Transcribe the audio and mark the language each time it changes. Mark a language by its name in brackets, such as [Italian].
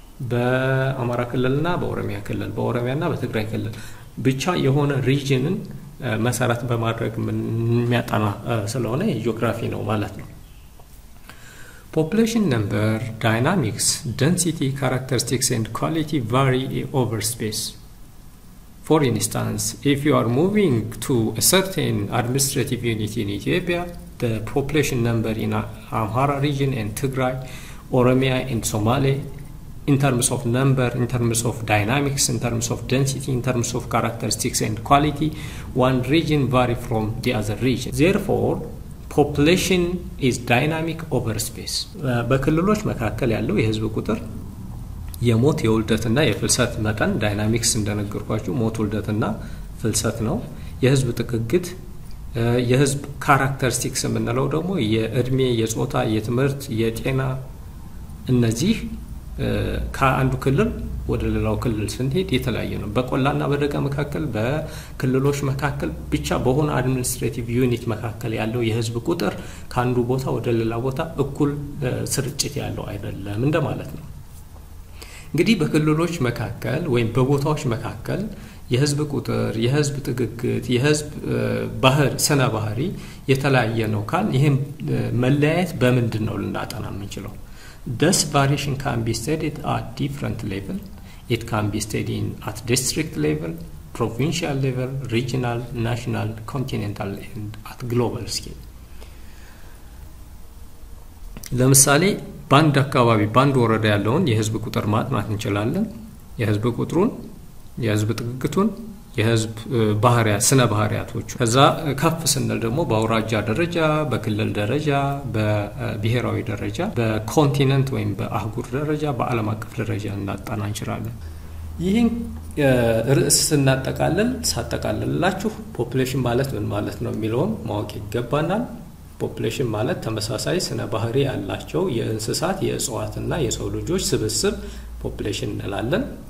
[Amharic] በአማራ ክልልና በኦሮሚያ ክልል በኦሮሚያና በትግራይ ክልል ብቻ የሆነ ሪጅንን መሰረት በማድረግ የሚያጠና ስለሆነ ጂኦግራፊ ነው ማለት ነው። [English] population number dynamics density characteristics and quality vary over space. For instance, if you are moving to a certain administrative unit in Ethiopia, the population number in Amhara region and Tigray, Oromia and Somalia, in terms of number, in terms of dynamics, in terms of density, in terms of characteristics and quality, one region vary from the other region. Therefore, population is dynamic over space. [Amharic] በክልሎች መካከል ያለው የህዝብ ቁጥር የሞት የውልደትና የፍልሰት መጠን ዳይናሚክስ እንደነገርኳችሁ ሞት ውልደትና ፍልሰት ነው። የህዝብ ጥግግት የህዝብ ካራክተሪስቲክስ የምንለው ደግሞ የእድሜ የጾታ የትምህርት የጤና እነዚህ ከአንዱ ክልል ወደ ሌላው ክልል ስንሄድ የተለያየ ነው። በቆላና በደጋ መካከል በክልሎች መካከል ብቻ በሆነ አድሚኒስትሬቲቭ ዩኒት መካከል ያለው የህዝብ ቁጥር ከአንዱ ቦታ ወደ ሌላ ቦታ እኩል ስርጭት ያለው አይደለም እንደማለት ነው። እንግዲህ በክልሎች መካከል ወይም በቦታዎች መካከል የህዝብ ቁጥር የህዝብ ጥግግት የህዝብ ባህር ሰና ባህሪ የተለያየ ነው ካል ይሄን መለያየት በመንድን ነው ልናጠና የምንችለው? [English] This variation can be studied at different level. It can be studied at district level, provincial level, regional, national, continental and at global scale. [Amharic] ለምሳሌ ባንድ አካባቢ ባንድ ወረዳ ያለውን የህዝብ ቁጥር ማጥናት እንችላለን። የህዝብ ቁጥሩን የህዝብ ጥግግቱን የህዝብ ባህሪያ ስነ ባህሪያቶች ከዛ ከፍ ስንል ደግሞ በአውራጃ ደረጃ በክልል ደረጃ በብሔራዊ ደረጃ በኮንቲነንት ወይም በአህጉር ደረጃ በዓለም አቀፍ ደረጃ እናጣና እንችላለን። ይሄን ርዕስ እናጠቃለን ሳጠቃለላችሁ population ማለት ምን ማለት ነው የሚለውን ማወቅ ይገባናል። population ማለት ተመሳሳይ ስነ ባህሪ ያላቸው የእንስሳት የእጽዋትና የሰው ልጆች ስብስብ population እንላለን።